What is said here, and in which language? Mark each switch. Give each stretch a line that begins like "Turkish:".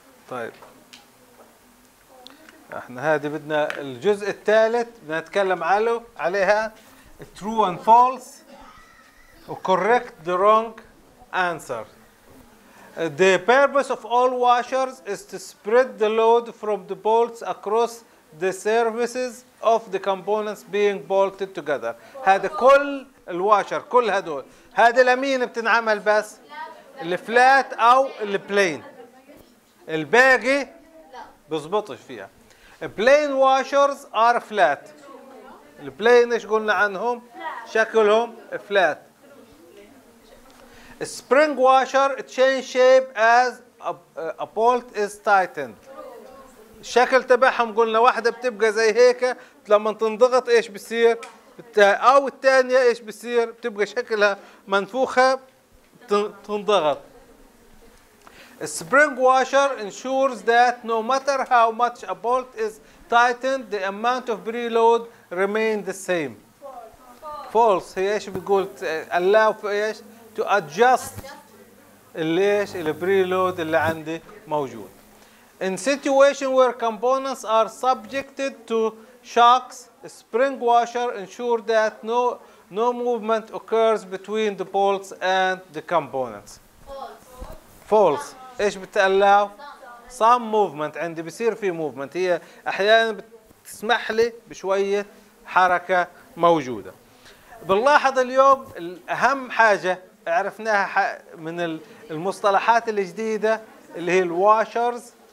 Arabic: طيب احنا هذه بدنا الجزء الثالث بنتكلم عليها
English: true and false correct the wrong answer. The purpose of all washers is to spread the load from the bolts across the surfaces of the components being bolted together.
Arabic: هذا كل الواشر، كل هدول، هذا لمين بتنعمل؟ بس الفلات او البلين، الباقي بزبطش فيها.
English: البلين washers are flat.
Arabic: البلين ايش قلنا عنهم؟ شكلهم فلات.
English: A spring washer change shape as a bolt is tightened.
Arabic: الشكل تبعهم قلنا واحدة بتبقى زي هيك، لما تنضغط ايش بصير؟ او الثانية ايش بصير؟ بتبقى شكلها منفوخة تنضغط.
English: A spring washer ensures that no matter how much a bolt is tightened, the amount of preload remains the same. False.
Arabic: هي ايش بتقول؟ الله في ايش؟
English: to adjust
Arabic: ليش البريلود اللي عندي موجود.
English: In situation where components are subjected to shocks, spring washer ensure that no movement occurs between the bolts and the components. False.
Arabic: ايش بتقلعه؟
English: some movement.
Arabic: عندي بصير في
English: movement،
Arabic: هي احيانا بتسمح لي بشوية حركة موجودة. بنلاحظ اليوم اهم حاجة عرفناها من المصطلحات الجديدة اللي هي الواشرز.